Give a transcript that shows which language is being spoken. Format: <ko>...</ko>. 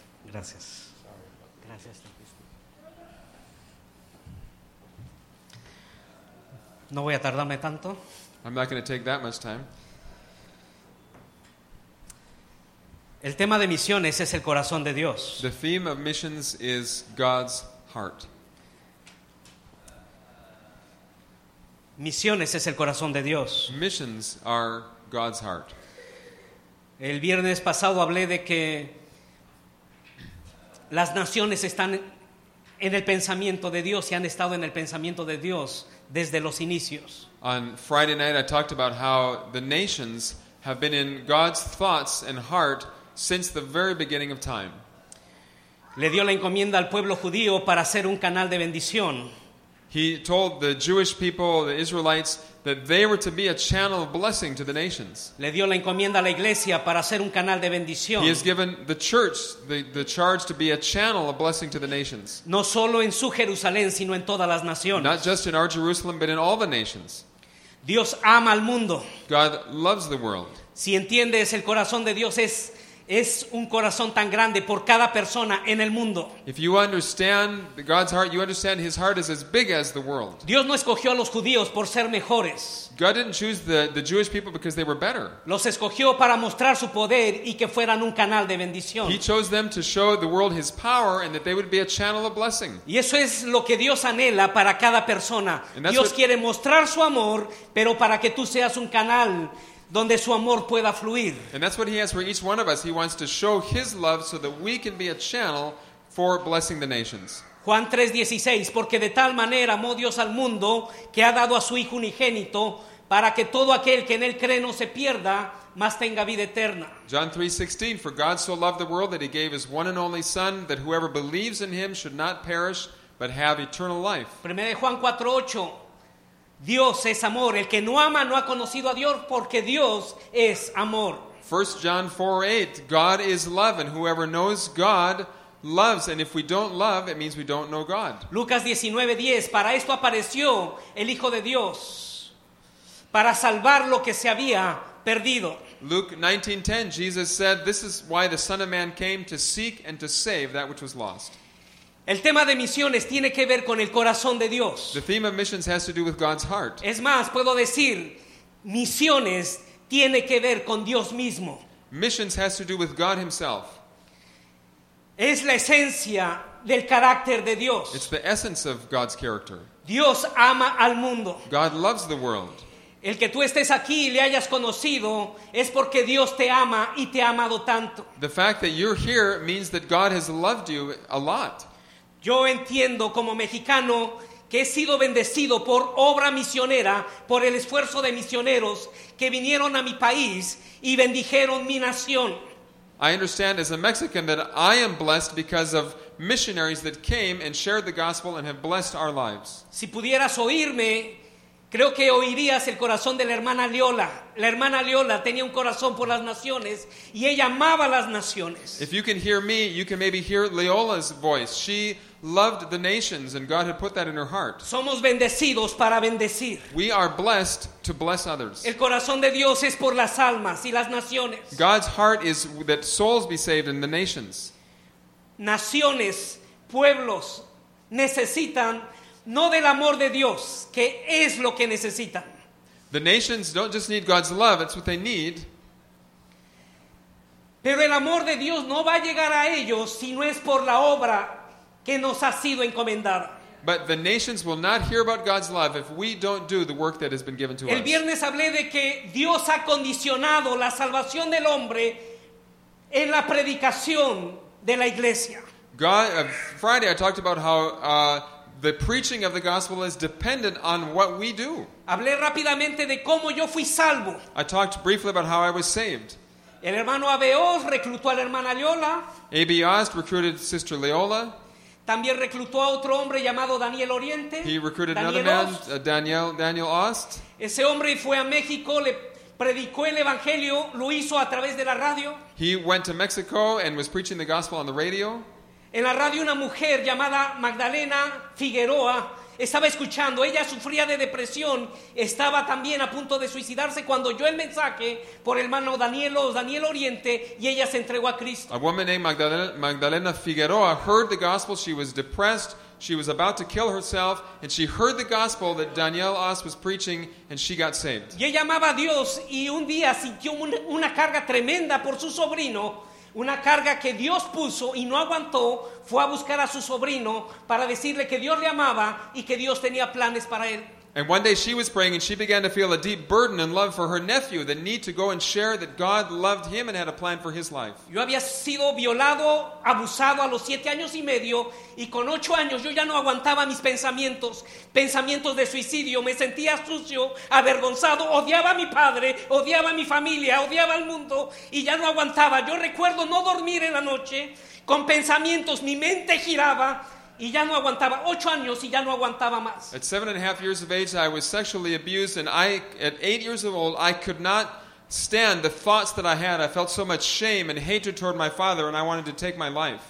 <es>Gracias. Gracias. No voy a tardarme tanto.</es> <en>I'm not going to take that much time.</en> <es>El tema de misiones es el corazón de Dios.</es> <en>The theme of missions is God's heart.</en> <es>Misiones es el corazón de Dios.</es> <en>Missions are God's heart.</en> <es>El viernes pasado hablé de que las naciones están en el pensamiento de Dios y han estado en el pensamiento de Dios desde los inicios.</es> <en>On Friday night I talked about how the nations have been in God's thoughts and heart since the very beginning of time.</en> <es>Le dio la encomienda al pueblo judío para hacer un canal de bendición.</es> <en>He told the Jewish people, the Israelites, that they were to be a channel of blessing to the nations.</en> <es>Le dio la encomienda a la iglesia para hacer un canal de bendición.</es> <en>He has given the church the charge to be a channel of blessing to the nations.</en> <es>No solo en su Jerusalén, sino en todas las naciones.</es> <en>Not just in our Jerusalem, but in all the nations.</en> <es>Dios ama al mundo.</es> <en>God loves the world.</en> <es>Si entiendes, el corazón de Dios es un corazón tan grande por cada persona en el mundo.</es> <en>If you understand God's heart, you understand His heart is as big as the world.</en> <es>Dios no escogió a los judíos por ser mejores.</es> <en>God didn't choose the Jewish people because they were better.</en> <es>Los escogió para mostrar su poder y que fueran un canal de bendición.</es> <en>He chose them to show the world His power and that they would be a channel of blessing.</en> <es>Y eso es lo que Dios anhela para cada persona. Dios quiere mostrar su amor, pero para que tú seas un canal donde su amor pueda fluir.</es> <en>And that's what He has for each one of us. He wants to show His love so that we can be a channel for blessing the nations.</en> <es>Juan 3:16, porque de tal manera amó Dios al mundo que ha dado a su Hijo unigénito para que todo aquel que en Él cree no se pierda, mas tenga vida eterna.</es> <en>John 3:16, for God so loved the world that He gave His one and only Son, that whoever believes in Him should not perish, but have eternal life.</en> <es>1 Juan 4:8, Dios es amor. El que no ama no ha conocido a Dios, porque Dios es amor.</es> <en>1 John 4:8, God is love, and whoever knows God loves. And if we don't love, it means we don't know God.</en> <es>Lucas 19:10, para esto apareció el Hijo de Dios, para salvar lo que se había perdido.</es> <en>Luke 19:10, Jesus said, this is why the Son of Man came, to seek and to save that which was lost.</en> <es>El tema de misiones tiene que ver con el corazón de Dios.</es> <en>The theme of missions has to do with God's heart.</en> <es>Es más, puedo decir, misiones tiene que ver con Dios mismo.</es> <en>Missions has to do with God Himself.</en> <es>Es la esencia del carácter de Dios.</es> <en>It's the essence of God's character.</en> <es>Dios ama al mundo.</es> <en>God loves the world.</en> <es>El que tú estés aquí y le hayas conocido es porque Dios te ama y te ha amado tanto.</es> <en>The fact that you're here means that God has loved you a lot.</en> <es>Yo entiendo como mexicano que he sido bendecido por obra misionera, por el esfuerzo de misioneros que vinieron a mi país y bendijeron mi nación.</es> <en>I understand as a Mexican that I am blessed because of missionaries that came and shared the gospel and have blessed our lives.</en> <es>Si pudieras oírme, creo que oirías el corazón de la hermana Leola. La hermana Leola tenía un corazón por las naciones y ella amaba las naciones.</es> <en>If you can hear me, you can maybe hear Leola's voice. She loved the nations and God had put that in her heart.</en> <es>Somos bendecidos para bendecir.</es> <en>We are blessed to bless others.</en> <es>El corazón de Dios es por las almas y las naciones.</es> <en>God's heart is that souls be saved in the nations.</en> <es>Naciones, pueblos, necesitan No del amor de Dios, que es lo que necesitan.</es> <en>The nations don't just need God's love, it's what they need.</en> <es>Pero el amor de Dios no va a llegar a ellos si no es por la obra que nos ha sido encomendada.</es> <en>But the nations will not hear about God's love if we don't do the work that has been given to us.</en> <es>El viernes hablé de que Dios ha condicionado la salvación del hombre en la predicación de la iglesia.</es> <en>Friday I talked about how the preaching of the gospel is dependent on what we do.</en> <es>Hablé rápidamente de cómo yo fui salvo.</es> <en>I talked briefly about how I was saved.</en> <es>El hermano Abeos reclutó a la hermana Leola.</es> <en>A.B. Ost recruited Sister Leola.</en> <es>También reclutó a otro hombre llamado Daniel Oriente.</es> <en>He recruited Daniel another man, Daniel Ost.</en> <es>Ese hombre fue a México, le predicó el evangelio, lo hizo a través de la radio.</es> <en>He went to Mexico and was preaching the gospel on the radio.</en> <es>En la radio una mujer llamada Magdalena Figueroa estaba escuchando. Ella sufría de depresión, estaba también a punto de suicidarse cuando oyó el mensaje por el hermano Daniel Oriente, y ella se entregó a Cristo.</es> <en>A woman named Magdalena Figueroa heard the gospel. She was depressed, she was about to kill herself, and she heard the gospel that Daniel Os was preaching, and she got saved.</en> <es>Y ella amaba a Dios, y un día sintió una carga tremenda por su sobrino. Una carga que Dios puso y no aguantó, fue a buscar a su sobrino para decirle que Dios le amaba y que Dios tenía planes para él.</es> <en>And one day she was praying and she began to feel a deep burden and love for her nephew, the need to go and share that God loved him and had a plan for his life.</en> <es>Yo había sido violado, abusado a los 7 años y medio, y con 8 años yo ya no aguantaba mis pensamientos de suicidio. Me sentía sucio, avergonzado, odiaba a mi padre, odiaba a mi familia, odiaba al mundo, y ya no aguantaba. Yo recuerdo no dormir en la noche con pensamientos, mi mente giraba. Y ya no aguantaba. 8 años y ya no aguantaba más.</es> <en>At 7.5 years of age, I was sexually abused, and I, at 8 years of old, I could not stand the thoughts that I had. I felt so much shame and hatred toward my father, and I wanted to take my life.</en>